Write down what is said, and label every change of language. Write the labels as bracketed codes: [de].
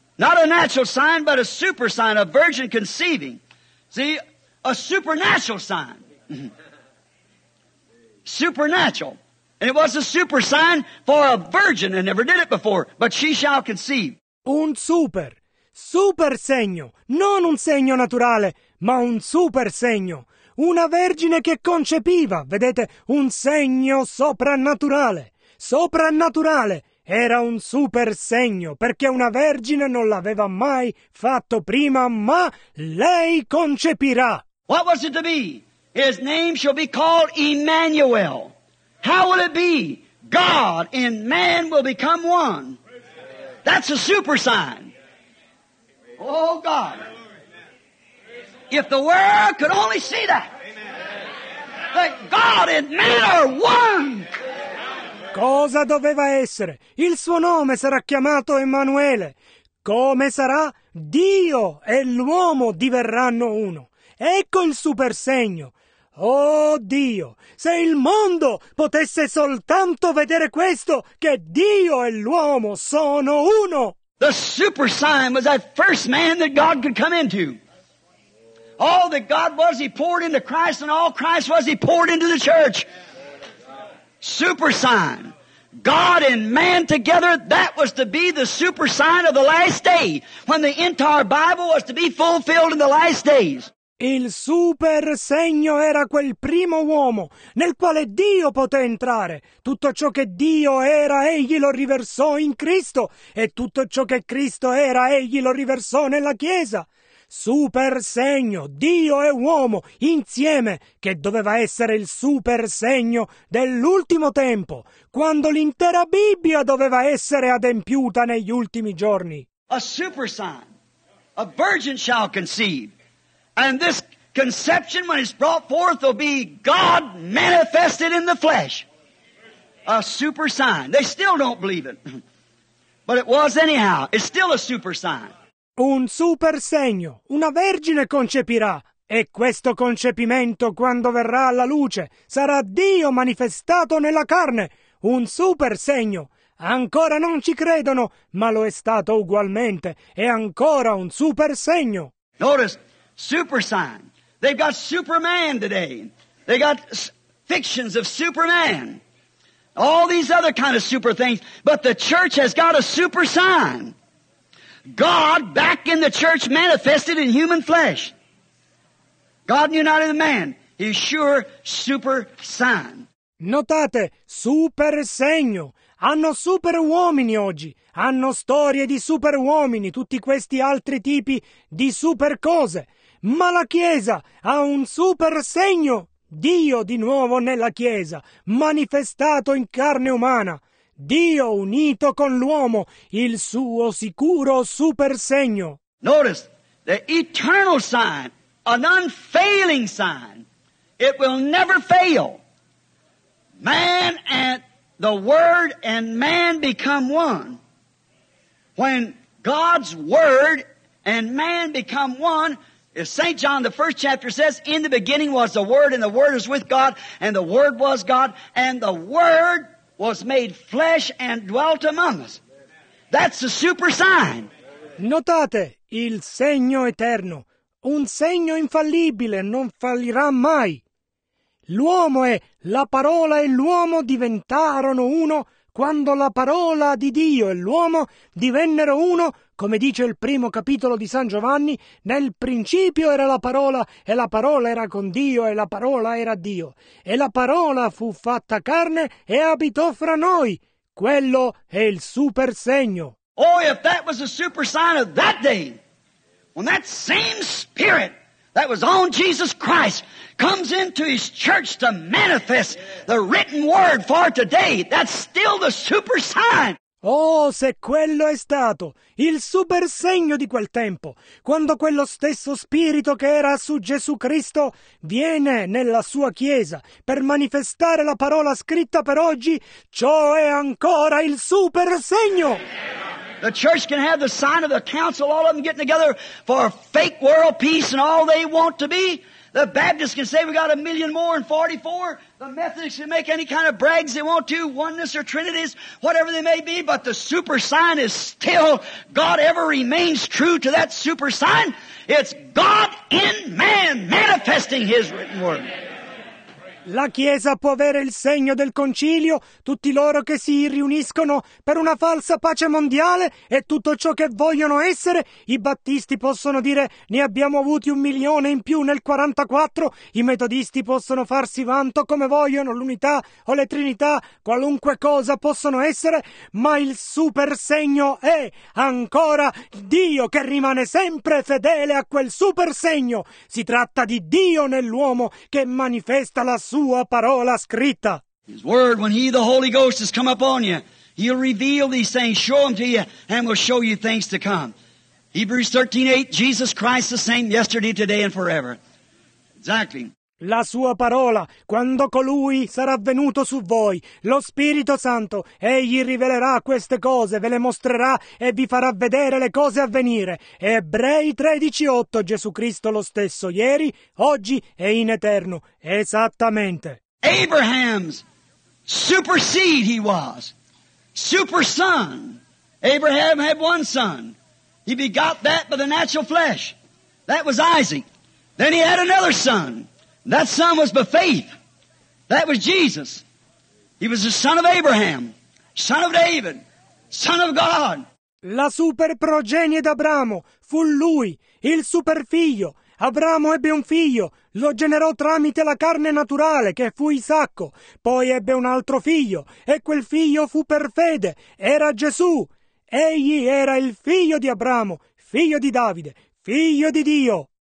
[en] Not a natural sign, but a super sign, a virgin conceiving. See, a supernatural sign. Supernatural. And it was a super sign for a virgin and never did it before, but she shall conceive. [it] Un super. Super segno. Non un segno naturale, ma un super segno. Una vergine che concepiva, vedete, un segno soprannaturale. Soprannaturale. Era un super segno, perché una vergine non l'aveva mai fatto prima, ma lei concepirà. [en] What was it to be? His name shall be called Emmanuel. How will it be? God and man will become one. That's a super sign. Oh, God. If the world could only see that. That God and man are one. [it] Cosa doveva essere? Il suo nome sarà chiamato Emanuele. Come sarà? Dio e l'uomo diverranno uno. Ecco il super segno. Oh Dio, se il mondo potesse soltanto vedere questo, che Dio e l'uomo sono uno. [en] The super sign was that first man that God could come into. All that God was, he poured into Christ, and all Christ was, he poured into the church. Super sign. God and man together, that was to be the super sign of the last day, when the entire Bible was to be fulfilled in the last days. [it] Il super segno era quel primo uomo nel quale Dio poté entrare. Tutto ciò che Dio era, egli lo riversò in Cristo, e tutto ciò che Cristo era, egli lo riversò nella Chiesa. Super segno, Dio e uomo insieme, che doveva essere il super segno dell'ultimo tempo, quando l'intera Bibbia doveva essere adempiuta negli ultimi giorni. [en] A super sign. A virgin shall conceive. And this conception, when it's brought forth, will be God manifested in the flesh. A super sign. They still don't believe it. But it was anyhow. It's still a super sign. [it] Un super segno. Una vergine concepirà. E questo concepimento, quando verrà alla luce, sarà Dio manifestato nella carne. Un super segno. Ancora non ci credono, ma lo è stato ugualmente. È ancora un super segno. [en] Notice. Super sign. They've got Superman today. They got fictions of Superman. All these other kind of super things. But the church has got a super sign. God back in the church manifested in human flesh. God united in man. His sure super sign. [it] Notate, super segno. Hanno super uomini oggi. Hanno storie di super uomini. Tutti questi altri tipi di super cose. Ma la Chiesa ha un super segno, Dio di nuovo nella Chiesa, manifestato in carne umana, Dio unito con l'uomo, il suo sicuro super segno. [en] Notice, the eternal sign, an unfailing sign, it will never fail. Man and the Word and man become one. When God's Word and man become one, as St. John, the first chapter, says, in the beginning was the Word, and the Word was with God, and the Word was God, and the Word was made flesh and dwelt among us. That's a super sign. [it] Notate, il segno eterno, un segno infallibile, non fallirà mai. L'uomo e la parola e l'uomo diventarono uno quando la parola di Dio e l'uomo divennero uno. Come dice il primo capitolo di San Giovanni, nel principio era la parola, e la parola era con Dio, e la parola era Dio. E la parola fu fatta carne e abitò fra noi. Quello è il super segno. [en] Oh, if that was a super sign of that day, when that same Spirit that was on Jesus Christ comes into His church to manifest the written word for today. That's still the super sign. [it] Oh, se quello è stato il super segno di quel tempo, quando quello stesso Spirito che era su Gesù Cristo viene nella sua Chiesa per manifestare la parola scritta per oggi, ciò è ancora il super segno! [en] The church can have the sign of the council, all of them getting together for fake world peace and all they want to be. The Baptists can say we got a million more in 44. The Methodists can make any kind of brags they want to, oneness or trinities, whatever they may be, but the super sign is still, God ever remains true to that super sign. It's God in man manifesting His written word. [it] La Chiesa può avere il segno del concilio, tutti loro che si riuniscono per una falsa pace mondiale e tutto ciò che vogliono essere. I battisti possono dire ne abbiamo avuti un milione in più nel 44, i metodisti possono farsi vanto come vogliono, l'unità o le trinità, qualunque cosa possono essere, ma il super segno è ancora Dio che rimane sempre fedele a quel super segno. Si tratta di Dio nell'uomo che manifesta la sua parola scritta. [en] His word, when He, the Holy Ghost, has come upon you, He'll reveal these things, show them to you, and will show you things to come. Hebrews 13:8, Jesus Christ the same yesterday, today, and forever. Exactly. [it] La sua parola, quando colui sarà venuto su voi, lo Spirito Santo, egli rivelerà queste cose, ve le mostrerà e vi farà vedere le cose a venire. Ebrei 13:8, Gesù Cristo lo stesso, ieri, oggi e in eterno. Esattamente. [en] Abraham's super seed he was, super son. Abraham had one son. He begot that by the natural flesh. That was Isaac. Then he had another son. That son was by faith. That was Jesus. He was the son of Abraham, son of David, son of God. [it] La super progenie d'Abramo fu lui, il super figlio. Abramo ebbe un figlio, lo generò tramite la carne naturale, che fu Isacco. Poi ebbe un altro figlio, e quel figlio fu per fede, era Gesù. Egli era il figlio di Abramo, figlio di Davide, figlio di Dio.